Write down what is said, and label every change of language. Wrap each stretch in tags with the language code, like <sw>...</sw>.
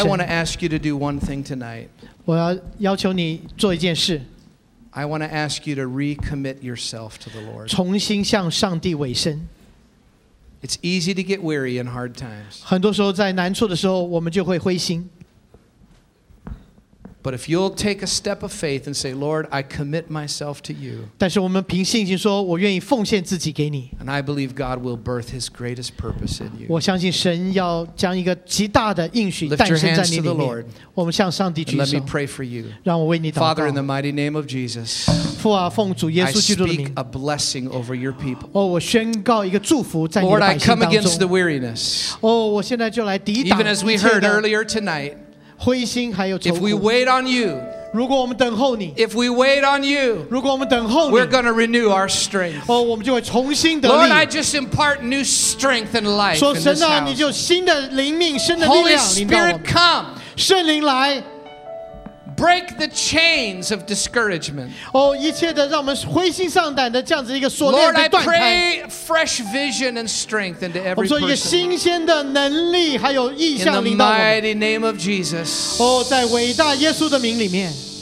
<en>I want to ask you to do one thing tonight.</en> <zh>我要要求你做一件事。</zh> <en>I want to ask you to recommit yourself to the Lord.</en> <zh>重新向上帝委身。</zh> <en>It's easy to get weary in hard times.</en> <zh>很多时候在难处的时候，我们就会灰心。</zh> <en>But if you'll take a step of faith and say, Lord, I commit myself to you.</en> <zh>但是我们凭信心说，我愿意奉献自己给你。</zh> <en>And I believe God will birth His greatest purpose in you.</en> <zh>我相信神要将一个极大的应许诞生在你里面。</zh> <en>Lift your hands to the Lord.</en> <zh>我们向上帝举手。</zh> <en>Let me pray for you.</en> <zh>让我为你祷告。</zh> <en>Father, in the mighty name of Jesus.</en> <zh>父啊，奉主耶稣基督的名。</zh> <en>I speak a blessing over your people.</en> <zh>哦，我宣告一个祝福在你的百姓当中。</zh> <en>Lord, I come against the weariness.</en> <zh>哦，我现在就来抵挡。</zh> <en>Even as we heard earlier tonight. If we wait on you,</en> <zh>如果我们等候你</zh> <en>if we wait on you,</en> <zh>如果我们等候你</zh> <en>we're going to renew our strength.</en> <zh>哦，我们就会重新得力</zh> <en>Lord, I just impart new strength and life.</en> <zh>说神啊，你就新的灵命，新的力量临到我们。</zh> <en>Holy Spirit, come.</en> <zh>圣灵来。</zh> <en>Break the chains of discouragement.</en> <zh>哦，一切的让我们灰心丧胆的这样子一个锁链被断开。</zh> <en>Lord, I pray fresh vision and strength into every person.</en> <zh>我们说一个新鲜的能力还有意向领导我们。</zh> <en>In the mighty name of Jesus.</en> <zh>哦，在伟大耶稣的名里面。</zh>